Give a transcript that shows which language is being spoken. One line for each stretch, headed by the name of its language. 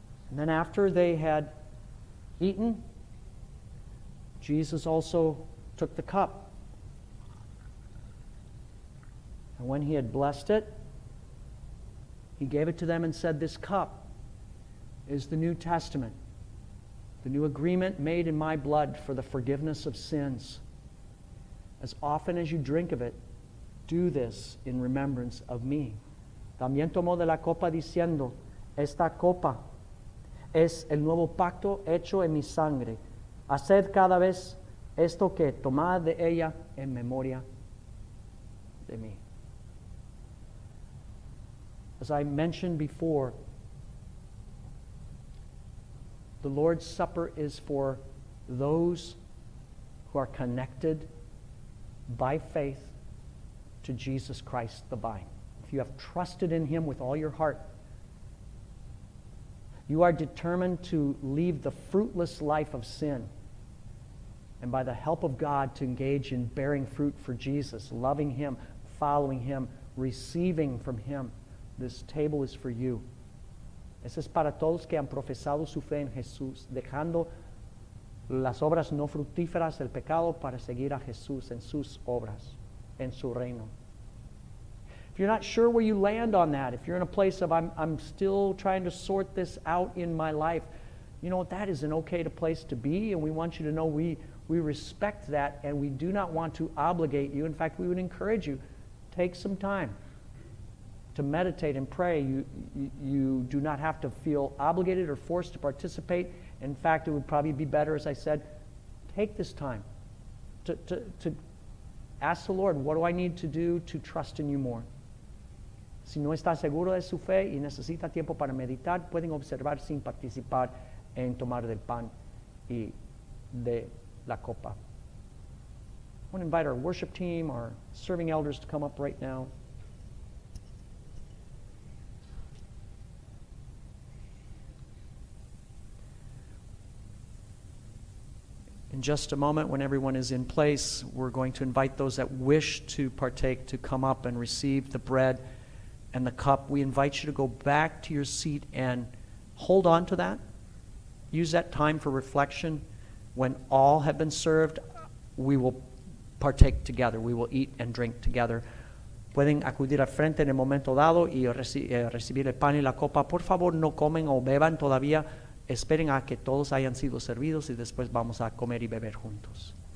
English: And then after they had eaten, Jesus also took the cup. And when he had blessed it, he gave it to them and said, "This cup is the New Testament, the new agreement made in my blood for the forgiveness of sins. As often as you drink of it, do this in remembrance of me."
Spanish: También tomó de la copa diciendo, "Esta copa es el nuevo pacto hecho en mi sangre. Haced cada vez esto que tomad de ella en memoria de mí."
English: As I mentioned before, the Lord's Supper is for those who are connected by faith to Jesus Christ the vine. If you have trusted in him with all your heart, You are determined to leave the fruitless life of sin, and by the help of God to engage in bearing fruit for Jesus, loving him, following him, receiving from him. This table is for you.
Spanish: Ese es para todos que han profesado su fe en Jesús, dejando las obras no fructíferas, el pecado, para seguir a Jesús en sus obras, en su reino.
English: If you're not sure where you land on that, if you're in a place of I'm still trying to sort this out in my life, you know what, that is an okay place to be, and we want you to know we respect that, and we do not want to obligate you. In fact, we would encourage you, take some time to meditate and pray. You do not have to feel obligated or forced to participate. In fact, it would probably be better, as I said, take this time to ask the Lord, what do I need to do to trust in you more?
Spanish: Si no está seguro de su fe y necesita tiempo para meditar, pueden observar sin participar en tomar del pan y de la copa.
English: I want to invite our worship team, our serving elders, to come up right now. In just a moment, when everyone is in place, we're going to invite those that wish to partake to come up and receive the bread and the cup. We invite you to go back to your seat and hold on to that. Use that time for reflection. When all have been served, we will partake together. We will eat and drink together.
Spanish: Pueden acudir al frente en el momento dado y recibir el pan y la copa. Por favor, no comen o beban todavía. Esperen a que todos hayan sido servidos y después vamos a comer y beber juntos.